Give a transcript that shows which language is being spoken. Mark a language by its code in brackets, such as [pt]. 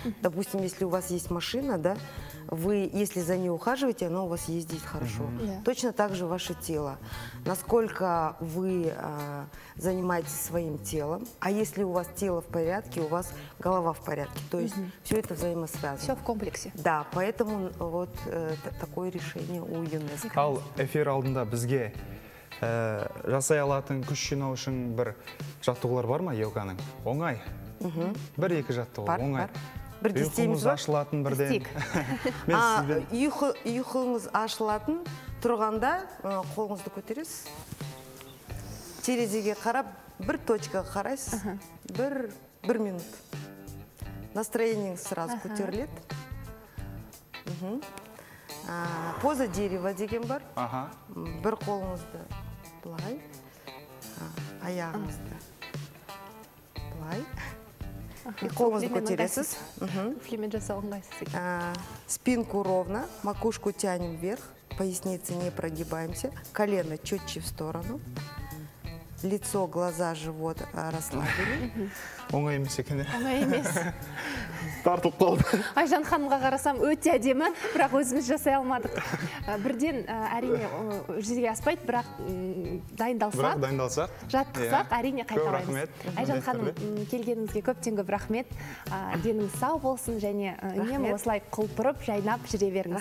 [ru] Допустим, если у вас есть машина, да, вы, если за ней ухаживаете, она у вас ездит хорошо. Точно так же ваше тело. Насколько вы занимаетесь своим телом, а если у вас тело в порядке, у вас голова в порядке. То есть все это взаимосвязано. Все в комплексе. Да, поэтому вот такое решение у ЮНЕСКО. [kk] Ал эфир алдында бізге жасай алатын күш жинау үшін бір жаттығулар бар ма йоганың? Оңай. Бір-екі жаттығу, оңай. Ұйқыңыз ашылатын бірден. Ұйқыңыз ашылатын тұрғанда қолыңызды көтерес. Терезеге қарап, бір точкаға қарайсыз. Бір минут. Настроениеңіз сразу көтерілет. Поза дерева деген бар. Бір қолыңызды бұлай. Аяғыңызды бұлай. И колыңызды көтересіз. Флимен жасалғыңайсыз. [ru] Спинку ровно, макушку тянем вверх, поясницы не прогибаемся, колено четче в сторону, лицо, глаза, живот расслабили. [kk] Оңай емес екене. Оңай емес. Тартылып қалды. Айжан ханымға қарасам өте әдемі, бірақ өзіміз жасай алмадық. Бірден әрине жүзеге аспайды, бірақ дайындалсақ, жаттықсақ әрине қайтарамыз. Көп рахмет. Айжан ханым, келгеніңізге көптен көп рахмет. Денің сау болсын және үнемі осылай құлпырып, жайнап жүре беріңіз.